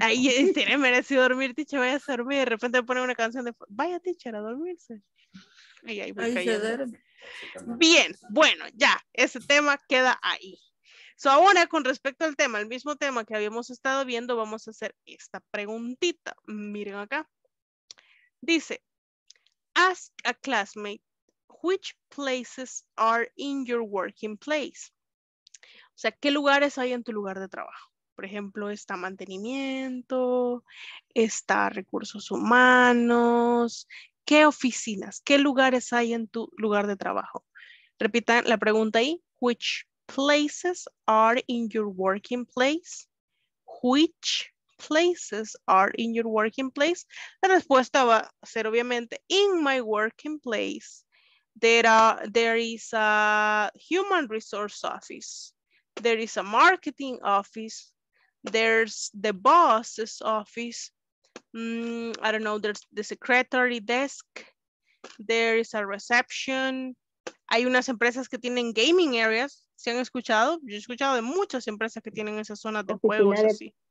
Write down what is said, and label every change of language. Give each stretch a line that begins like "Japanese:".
Spanish: Ahí tiene merecido dormir, teacher. Vaya a dormir. De repente me pone una canción de. Vaya, teacher, a dormirse. Ahí, ahí voy cayendo. Bien, bueno, ya. Ese tema queda ahí. So, ahora con respecto al tema, el mismo tema que habíamos estado viendo, vamos a hacer esta preguntita. Miren acá. Dice,
English: ask a classmate which places are in your working place.
Spanish: O sea, ¿qué lugares hay en tu lugar de trabajo? Por ejemplo, está mantenimiento, está recursos humanos, ¿qué oficinas? ¿Qué lugares hay en tu lugar de trabajo? Repita la pregunta ahí,
English: which places are in your working place? Which places are in your working place?
Spanish: La respuesta va a ser obviamente
English: in my working place there is a human resource office, there is a marketing office, there's the boss's office, I don't know, there's the secretary desk, there is a reception.
Spanish: Hay unas empresas que tienen gaming areas, ¿se han escuchado? Yo he escuchado de muchas empresas que tienen esas zonas de juegos así.